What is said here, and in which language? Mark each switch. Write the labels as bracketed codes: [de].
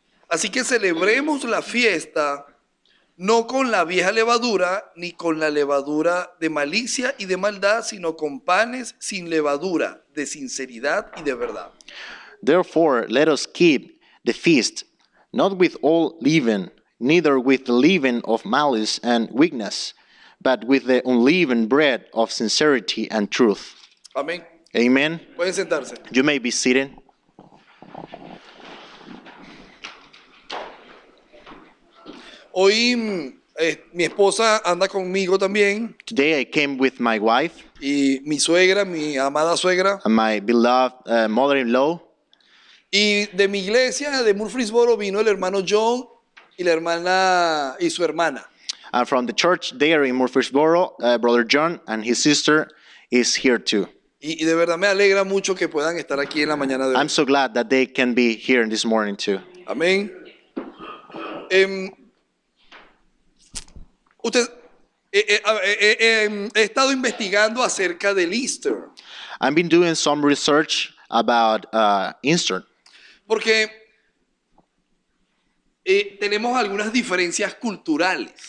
[es] Así que celebremos la fiesta, no con la vieja levadura, ni con la levadura de malicia y de maldad, sino con panes sin levadura, de sinceridad y de verdad. [en] Therefore, let us keep the feast, not with all leaven, neither with the leaven of malice and weakness, but with the unleavened bread of sincerity and truth. [es] Amén. [en] Amen. [es] Pueden sentarse. [en] You may be seated. [es] Hoy mi esposa anda conmigo también. [en] Today I came with my wife. [es] Y mi suegra, mi amada suegra. [en] And my beloved mother-in-law. [es] Y de mi iglesia, de Murfreesboro, vino el hermano John y la hermana y su hermana. [en] And from the church there in Murfreesboro, brother John and his sister is here too. [es] Y de verdad me alegra mucho que puedan estar aquí en la mañana de hoy. [en] I'm so glad that they can be here this morning too. [es] Amén. Usted, he estado investigando acerca del Easter. [en] I've been doing some research about Easter. [es] Porque tenemos algunas diferencias culturales.